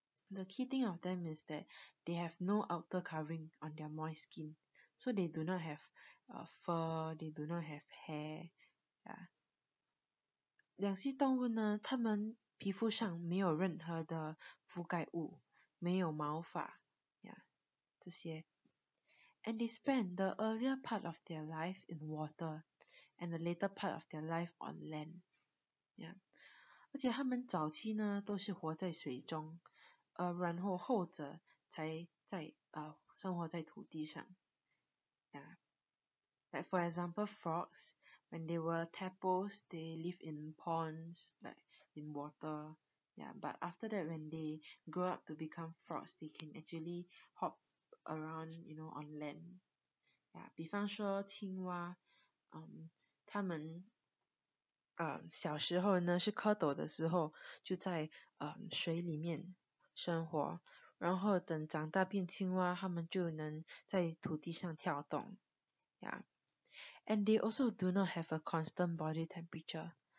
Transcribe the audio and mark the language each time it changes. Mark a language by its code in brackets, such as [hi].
[en] The key thing of them is that they have no outer covering on their moist skin. So they do not have fur, they do not have hair. Yeah. [zh] 两栖动物呢，它们皮肤上没有任何的覆盖物，没有毛发。 Yeah, 这些。 [en] And they spend the earlier part of their life in water, and the later part of their life on land. Yeah. [zh] 而且他们早期呢都是活在水中，然后后者才在生活在土地上。 [en] Yeah. Like for example, frogs, when they were tadpoles, they live in ponds, like in water. Yeah. But after that, when they grow up to become frogs, they can actually hop. Around, you know, on land. [zh] Yeah, 比方说青蛙，他们，小时候呢是蝌蚪的时候就在水里面生活，然后等长大变青蛙，他们就能在土地上跳动。 [en] Yeah, and they also do not have a constant body temperature.